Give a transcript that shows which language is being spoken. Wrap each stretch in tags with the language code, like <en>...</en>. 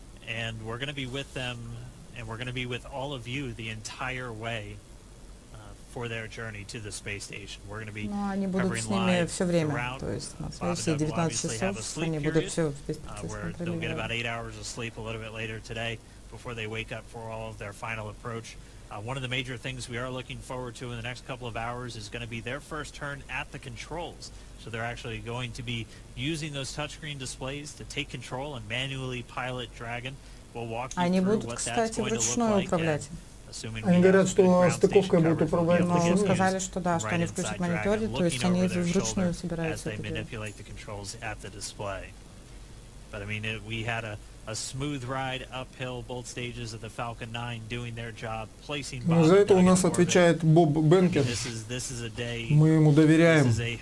<en>And we're going to be with them, and we're going to be with all of you the entire way for their journey to the space station. We're going to be covering live.</en> <ru>Они будут с ними все время, то есть на следующие 19 часов они будут все в</ru> <en>space before they wake up for all of their final approach. One of the major things we are looking forward to in the next couple of hours is going to be their first turn at the controls. So they're actually going to be using those touchscreen displays to take control and manually pilot Dragon. We'll walk you through what that's going to look like.</en> <ru>Они говорят, что стыковка будет управлена. Но сказали, что да, что они включат мониторы, то есть они вручную собираются это делать.</ru> <en>A smooth ride uphill both stages of the Falcon 9 doing their job placing Bob.</en> <ru>За это у нас отвечает Боб Бенкен. Мы ему доверяем.</ru>